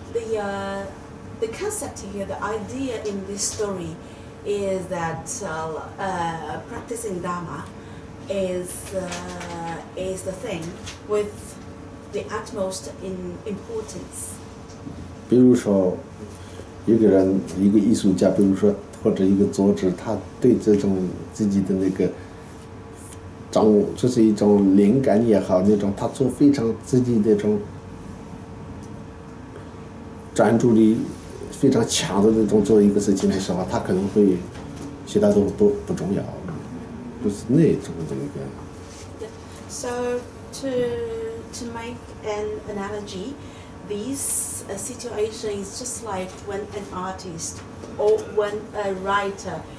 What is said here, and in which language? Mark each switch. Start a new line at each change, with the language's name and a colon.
English: The concept here, the idea in this story is that practicing Dharma is the thing with the utmost in importance.
Chinese: 比如说一个人，一个艺术家，比如说或者一个作者，他对这种自己的那个掌握，就是一种灵感也好，那种他做非常自己那种专注力非常强的那种做一个事情的时候，他可能会其他都不重要，就是那种的一个。
English: Yeah. So to make an analogy, this situation is just like when an artist or when a writer.